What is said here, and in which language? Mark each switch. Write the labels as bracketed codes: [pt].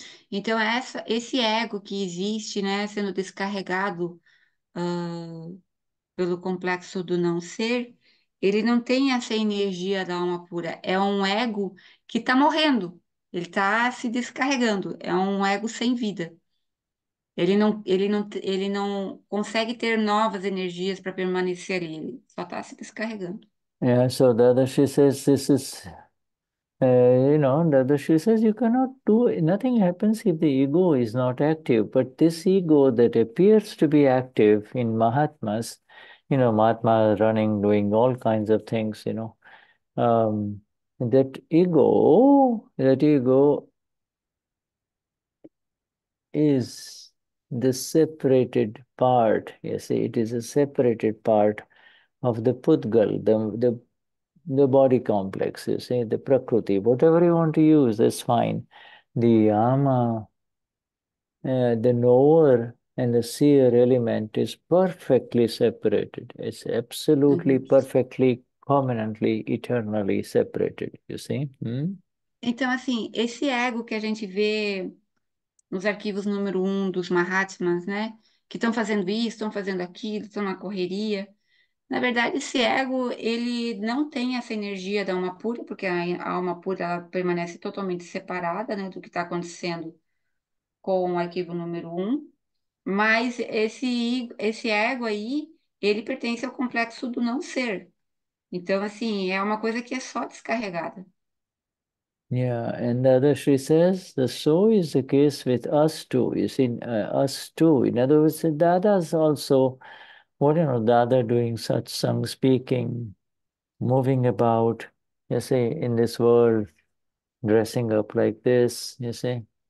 [pt] Então esse ego que existe, né, sendo descarregado pelo complexo do não ser, ele não tem essa energia da alma pura. É um ego que está morrendo. Ele está se descarregando. É um ego sem vida. Ele não consegue ter novas energias para permanecer ali. Ele só está se descarregando. [en] Yeah, so Dadashri says this is, Dadashri says you cannot do it. Nothing happens if the ego is not active. But this ego that appears to be active in Mahatmas, you know, Mahatma running, doing all kinds of things, you know, that ego is the separated part. You see, it is a separated part of the Pudgal, the body complex, you see, the prakriti, whatever you want to use, that's fine. The ama, the knower and the seer element is perfectly separated. It's absolutely, perfectly, permanently, eternally separated, you see? [pt] Então, assim, esse ego que a gente vê nos arquivos número 1 dos Mahatmas, né? Que estão fazendo isso, estão fazendo aquilo, estão na correria. Na verdade, esse ego, ele não tem essa energia da alma pura, porque a alma pura, ela permanece totalmente separada, né, do que está acontecendo com o arquivo número 1. Mas esse ego aí, ele pertence ao complexo do não ser. Então, assim, é uma coisa que é só descarregada. [en] Yeah, and Dadashri says the so is the case with us too. You see, us too. In other words, Dada's also, Dada doing such some speaking, moving about, you see, in this world, dressing up like this, you see.